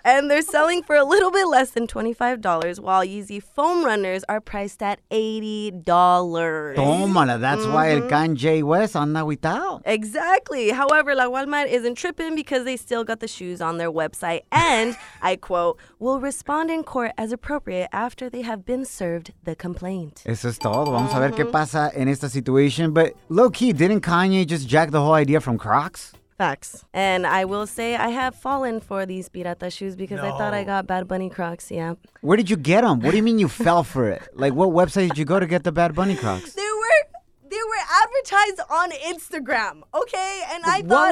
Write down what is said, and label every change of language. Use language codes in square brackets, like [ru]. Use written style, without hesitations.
[en] And they're selling for a little bit less than $25, while Yeezy Foam Runners are priced at $80. [es] Tómala. [en] That's why [es] el Kanye West anda aguitao. [en] Exactly. However, La Walmart isn't tripping because they still got the shoes on their website. And, I quote, will respond in court as appropriate after they have been served the complaint. [es] Eso es todo. Vamos a ver qué pasa en esta situación. [en] But low-key, didn't Kanye just jack the whole idea from Crocs? Facts. And I will say I have fallen for these pirata shoes because I thought I got Bad Bunny Crocs, yeah. Where did you get them? What do you mean you fell for it? Like, what website did you go to get the Bad Bunny Crocs? They were advertised on Instagram, okay? And I thought